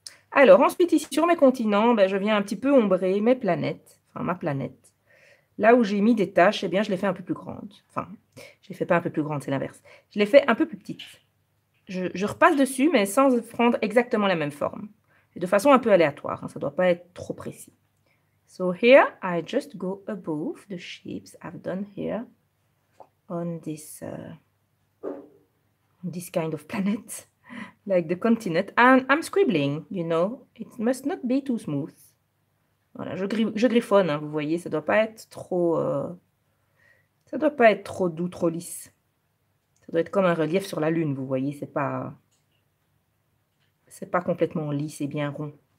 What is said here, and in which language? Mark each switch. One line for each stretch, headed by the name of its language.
French: Alors ensuite, ici sur mes continents, ben, je viens un petit peu ombrer mes planètes, enfin ma planète. Là où j'ai mis des taches, eh bien, je les fais un peu plus grandes. Enfin, je ne les fais pas un peu plus grandes, c'est l'inverse. Je les fais un peu plus petites. Je repasse dessus, mais sans prendre exactement la même forme. De façon un peu aléatoire, hein, ça ne doit pas être trop précis.
English: So here, I just go above the shapes I've done here on this this kind of planet, like the continent. And I'm scribbling, you know, it must not be too smooth.
French: Voilà, je griffonne, hein, vous voyez, ça ne doit pas être trop, ça doit pas être trop doux, trop lisse. Ça doit être comme un relief sur la Lune, vous voyez, c'est pas... C'est pas complètement lisse et bien rond.